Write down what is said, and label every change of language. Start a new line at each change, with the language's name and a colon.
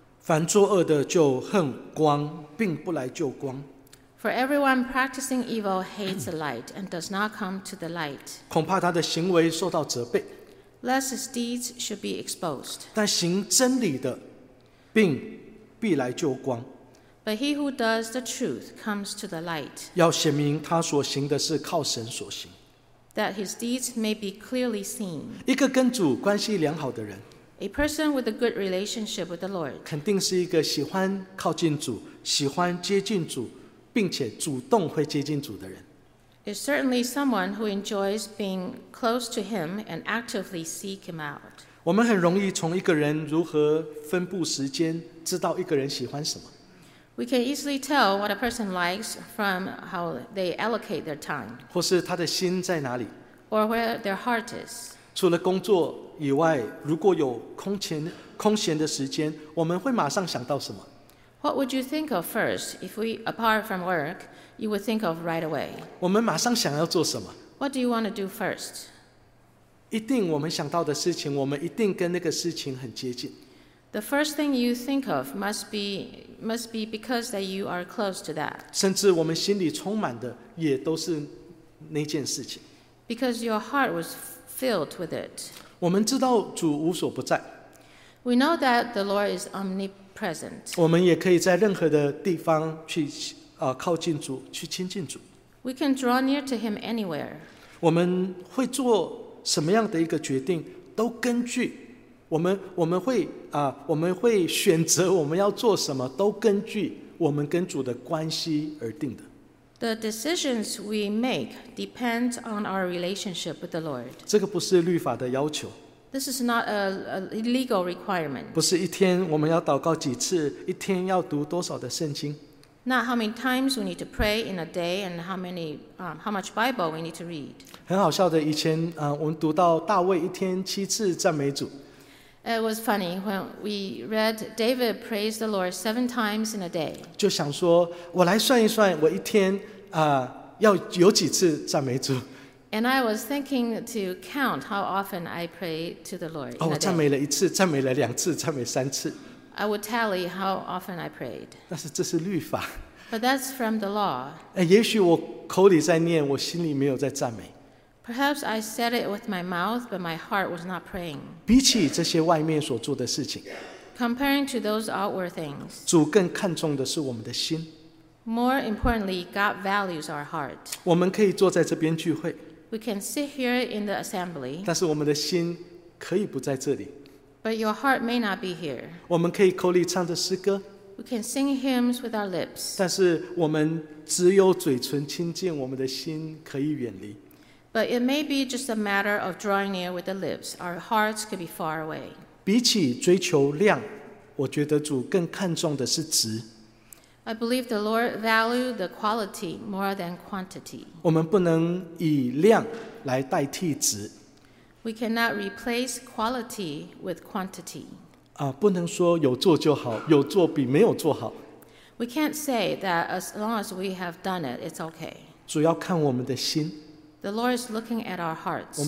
Chinese: 凡作恶的就恨光，并不来救光。
English: For everyone practicing evil hates the light and does not come to the light.
Chinese: 恐怕他的行为受到责备。
English: Lest his deeds should be exposed.
Chinese: 但行真理的，并必来救光。
English: But he who does the truth comes to the light.
Chinese: 要显明他所行的是靠神所行。
English: That his deeds may be clearly seen.
Chinese: 一个跟主关系良好的人。
English: A person with a good relationship with the Lord.
Chinese: 肯定是一个喜欢靠近主，喜欢接近主。并且主动会接近主的人。
English: It's certainly someone who enjoys being close to him and actively seek him out.
Chinese: 我们很容易从一个人如何分布时间，知道一个人喜欢什么。
English: We can easily tell what a person likes from how they allocate their time.
Chinese: 或是他的心在哪里。
English: Or where their heart is.
Chinese: 除了工作以外，如果有空闲的时间，我们会马上想到什么。
English: What would you think of first if we, apart from work, you would think of right away?
Chinese: 我们马上想要做什么?
English: What do you want to do first?
Chinese: 一定我们想到的事情，我们一定跟那个事情很接近。
English: The first thing you think of must be because that you are close to that.
Chinese: 甚至我们心里充满的也都是那件事情。
English: Because your heart was filled with it.
Chinese: 我们知道主无所不在。
English: We know that the Lord is omnipresent. Present.
Chinese: 我们也可以在任何的地方去、靠近主，去亲近主。
English: We can draw near to him anywhere.
Chinese: 我们会做什么样的一个决定，都根据我们会选择我们要做什么，都根据我们跟主的关系而定的。
English: The decisions we make depend on our relationship with the Lord.
Chinese: 这个不是律法的要求。
English: This is not a legal requirement.
Chinese: 不是一天我们要祷告几次，一天要读多少的圣经。
English: Not how many times we need to pray in a day and how much Bible we need to read.
Chinese: 很好笑的，以前我们读到大卫一天七次赞美主。
English: It was funny when we read David praised the Lord 7 times in a day.
Chinese: 就想说，我来算一算，我一天要有几次赞美主。
English: And I was thinking to count how often I pray to the Lord.
Chinese: 我赞美了一次，赞美了两次，赞美三次。
English: I would tally how often I prayed.
Chinese: 但是这是律法。
English: But that's from the law.
Chinese: 也许我口里在念，我心里没有在赞美。
English: Perhaps I said it with my mouth, but my heart was not praying.
Chinese: 比起这些外面所做的事情。
English: Comparing to those outward things.
Chinese: 主更看重的是我们的心。
English: More importantly, God values our heart.
Chinese: 我们可以坐在这边聚会。
English: We can sit here in the assembly.
Chinese: 但是我们的心可以不在这里。
English: But your heart may not be here.
Chinese: 我们可以口里唱着诗歌。
English: We can sing hymns with our lips.
Chinese: 但是我们只有嘴唇亲近，我们的心可以远离。
English: But it may be just a matter of drawing near with the lips. Our hearts could be far away.
Chinese: 比起追求量，我觉得主更看重的是质。
English: I believe the Lord values the quality more than quantity.
Chinese: 我们不能以量来代替质。
English: We cannot replace quality with quantity.
Chinese: 不能说有做就好，有做比没有做好。
English: We can't say that as long as we have done it, it's okay.
Chinese: 主要看我们的心。
English: The Lord is looking at our hearts.